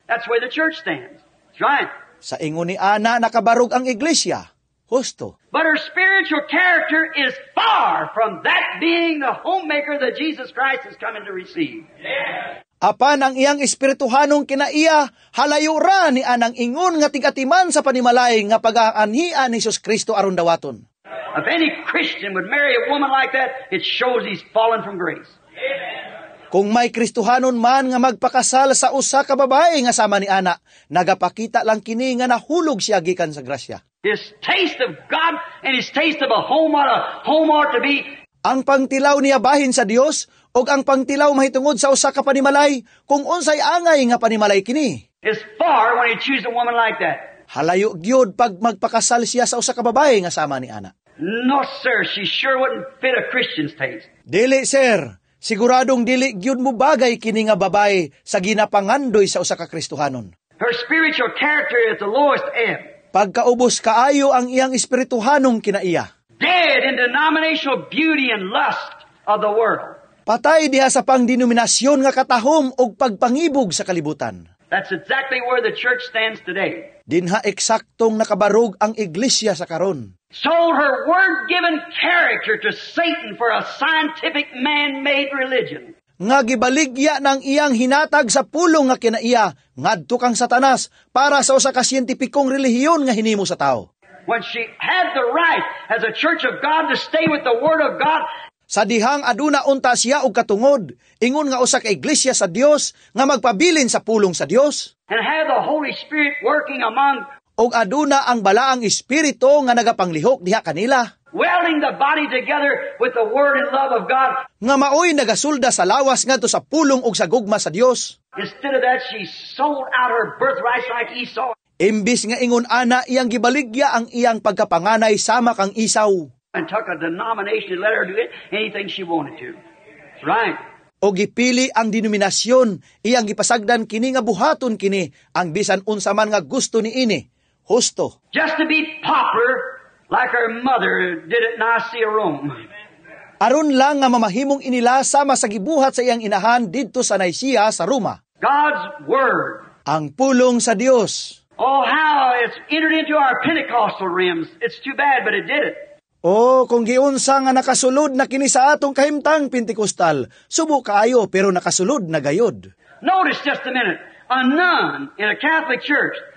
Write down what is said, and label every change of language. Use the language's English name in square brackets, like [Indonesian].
[English] That's where the church stands. Right. [Cebuano] Sa ingon ni Ana, nakabarug ang iglesia. Husto. [English] But her spiritual character is far from that being the homemaker that Jesus Christ is coming to receive. [Cebuano] Yeah. Apan ang iyang espirituhanong kinaiya, halayo ra ni anang ingon nga tigatiman sa panimalay nga pag-aanhian ni Jesus Kristo aron dawaton. [English] If any Christian would marry a woman like that, it shows he's fallen from grace. Amen. [Cebuano] Kung may Kristuhanon man nga magpakasal sa usa ka babae nga sama ni ana, nagapakita lang kini nga nahulog siya gikan sa grasya. [English] His taste of God and his taste of a home ought to be. [Cebuano] Ang pangtilaw niya bahin sa Dios o ang pangtilaw mahitungod sa usa ka panimalay kung unsay angay nga panimalay kini. [English] It's far when he chooses a woman like that. [Cebuano] Halayo gyud pag magpakasal siya sa usa ka babae nga sama ni ana. [English] No sir, she sure wouldn't fit a Christian's taste. [Cebuano] Dili sir, siguradong dili gyud mo bagay kini nga babae sa ginapangandoy sa usa ka Kristuhanon. [English] Her spiritual character is the lowest ebb. [Cebuano] Pagkaubos kaayo ang iyang espirituhanong kinaiya. [English] Dead in denominational beauty and lust of the world. [Cebuano] Patay diha sa pangdenominasyon nga katahom ug pagpangibog sa kalibutan. [English] That's exactly where the church stands today. [Cebuano] Dinha eksaktong nakabarug ang iglesia sa karon. [English] Sold her word-given character to Satan for a scientific man-made religion. [Cebuano] Nga gibaligya ng iyang hinatag sa pulong nga kinaiya ngadto kang Satanas para sa usa ka siyentipikong relihiyon nga hinimo sa tao. [English] When she had the right as a church of God to stay with the word of God. [Cebuano] Sa dihang aduna unta siya og katungod ingon nga usa ka iglesia sa Dios nga magpabilin sa pulong sa Dios. [English] And have the Holy Spirit working among. [Cebuano] Og aduna ang balaang espiritu nga nagapanglihok diha kanila. [English] Welding the body together with the word and love of God. [Cebuano] Nga maoy nagasulda sa lawas ngadto sa pulong og sa gugma sa Dios. [English] Instead of that she sold out her birthright like Esau. [Cebuano] Imbis nga ingon ana iyang gibaligya ang iyang pagkapanganay sama kang Esau. [English] And took a denomination and let her do it anything she wanted to. Right. [Cebuano] O gipili ang denominasyon iyang gipasagdan kini nga buhaton kini ang bisan unsa man nga gusto ni ini. Husto. [English] Just to be popular like her mother did at Nicaea Rome. [Cebuano] Aron lang nga mamahimong inila sama sa gibuhat sa iyang inahan dito sa Nicaea sa Roma. [English] God's word. [Cebuano] Ang pulong sa Dios. [English] Oh, how it's entered into our Pentecostal realms. It's too bad, but it did it. [Cebuano] Oh, kung giunsa nga nakasulod na kini sa atong kahimtang Pentecostal, subo kaayo pero nakasulod na gayod. [English] Notice just a minute, a nun in a Catholic church.